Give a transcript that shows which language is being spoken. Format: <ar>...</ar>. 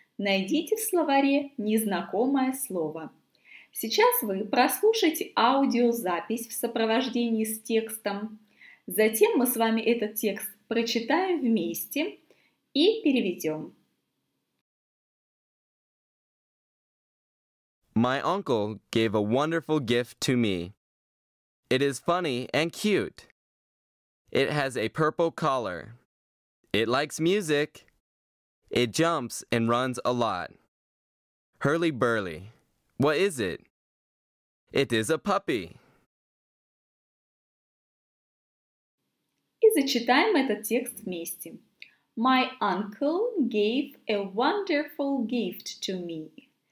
<ru>Найдите в словаре незнакомое слово. Сейчас вы прослушаете аудиозапись в сопровождении с текстом. Затем мы с вами этот текст прочитаем вместе и переведем.</ru> <en>My uncle gave a wonderful gift to me. It is funny and cute. It has a purple collar. It likes music. It jumps and runs a lot. Hurly burly. What is it? It is a puppy.</en> <ru>И зачитаем этот текст вместе.</ru> <en>My uncle gave a wonderful gift to me.</en>